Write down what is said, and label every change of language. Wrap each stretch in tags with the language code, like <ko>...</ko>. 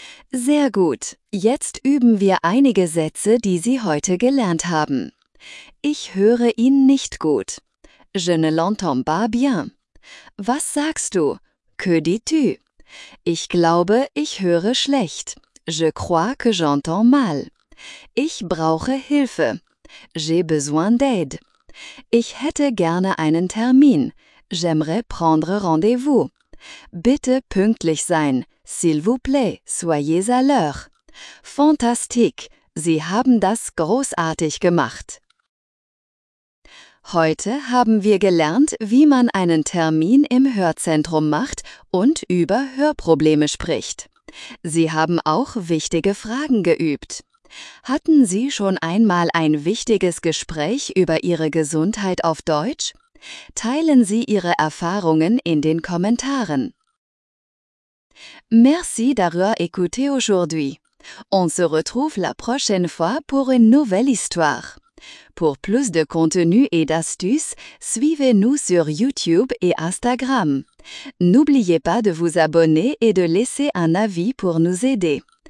<de>Sehr gut, jetzt üben wir einige Sätze, die Sie heute gelernt haben. Ich höre ihn nicht gut.</de> <fr>Je ne l'entends pas bien.</fr> <de>Was sagst du?</de> <fr>Que dis-tu?</fr> <de>Ich glaube, ich höre schlecht.</de> <fr>Je crois que j'entends mal.</fr> <de>Ich brauche Hilfe.</de> <fr>J'ai besoin d'aide.</fr> <de>Ich hätte gerne einen Termin.</de> <fr>J'aimerais prendre rendez-vous.</fr> <de>Bitte pünktlich sein.</de> <fr>S'il vous plaît, soyez à l'heure. Fantastique!</fr> <de>Sie haben das großartig gemacht. Heute haben wir gelernt, wie man einen Termin im Hörzentrum macht und über Hörprobleme spricht. Sie haben auch wichtige Fragen geübt. Hatten Sie schon einmal ein wichtiges Gespräch über Ihre Gesundheit auf Deutsch? Teilen Sie Ihre Erfahrungen in den Kommentaren.</de> <fr>Merci d'avoir écouté aujourd'hui. On se retrouve la prochaine fois pour une nouvelle histoire. Pour plus de contenu et d'astuces, suivez-nous sur YouTube et Instagram. N'oubliez pas de vous abonner et de laisser un avis pour nous aider.</fr>